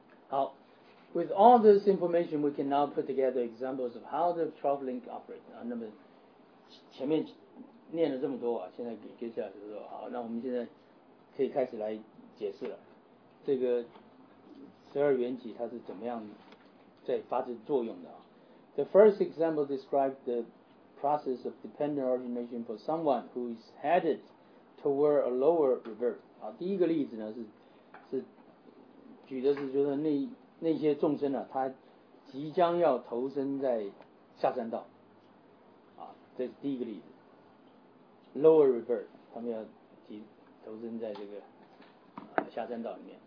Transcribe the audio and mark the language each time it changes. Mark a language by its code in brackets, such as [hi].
[en] 好, with all this information, we can now put together examples of how the TravelLink operate. [zh] 那么前面念了这么多啊，现在接下来就是说，好，那我们现在可以开始来解释了。这个十二缘起它是怎么样在发生作用的啊？ [en] The first example describes the process of dependent origination for someone who is headed toward a lower rebirth. [zh] 啊，第一个例子呢是举的是就是那些众生啊，他即将要投身在下三道。啊，这是第一个例子。Lower rebirth， 他们要投身在这个下三道里面。